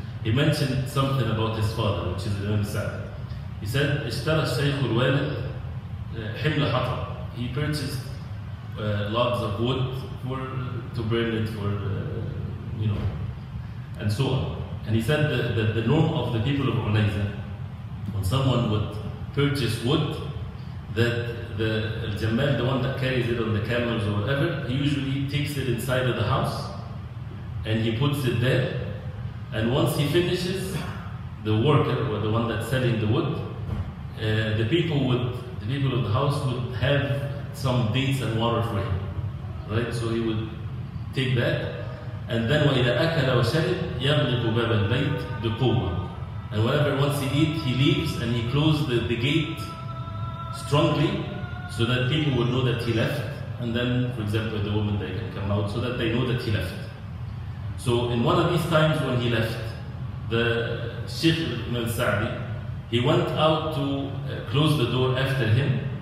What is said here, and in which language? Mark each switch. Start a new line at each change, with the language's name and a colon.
English: He mentioned something about his father, which is Imam Sa'd. He said,
Arabic: اشترى الشيخ الوالد حمل حطب.
English: He purchased logs of wood to burn it for, you know, and so on. And he said that the norm of the people of Unayza, when someone would purchase wood, that the Jamal, the one that carries it on the camels or whatever, he usually takes it inside of the house and he puts it there. And once he finishes, the worker, or the one that's selling the wood, the people of the house would have some dates and water for him. Right? So he would take that. And then,
Arabic: وَإِذَا أَكَلَ وَشَرِبْ يَغْلِقُ بَابَ الْبَيْتِ بِقُوَّةٍ.
English: And whatever, once he eats, he leaves and he closes the gate strongly, so that people would know that he left. And then, for example, the woman, they can come out, so that they know that he left. So in one of these times when he left, the Sheikh Ibn al-Sa'di, he went out to close the door after him.